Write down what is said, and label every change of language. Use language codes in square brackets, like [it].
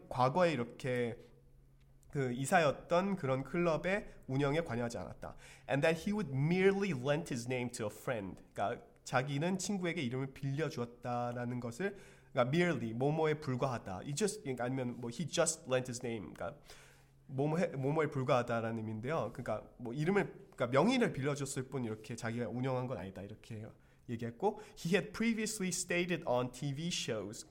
[ko] 과거에 이렇게 그 이사였던 그런 클럽의 운영에 관여하지 않았다. [en] And that he would merely lent his name to a friend. [ko] 그러니까 자기는 친구에게 이름을 빌려주었다라는 것을 그러니까 merely 뭐뭐에 불과하다. [en] He just [ko] 그러니까 아니면 뭐 [en] he just lent his name. [ko] 그러니까 뭐뭐에 불과하다라는 의미인데요. 그러니까 뭐 이름을 그러니까 명의를 빌려줬을 뿐 이렇게 자기가 운영한 건 아니다 이렇게 얘기했고 [en] he had previously stated on TV shows.